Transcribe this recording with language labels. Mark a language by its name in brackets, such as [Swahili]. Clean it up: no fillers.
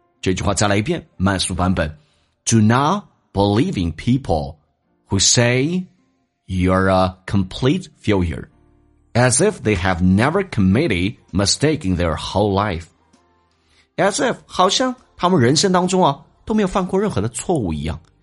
[Chinese] 这句话再来一遍，慢速版本。 [English] Do not believe in peoplewho say you're a complete failure, as if they have never committed mistake in their whole life. As if, [Chinese] 好像他们人生当中啊都没有犯过任何的错误一样。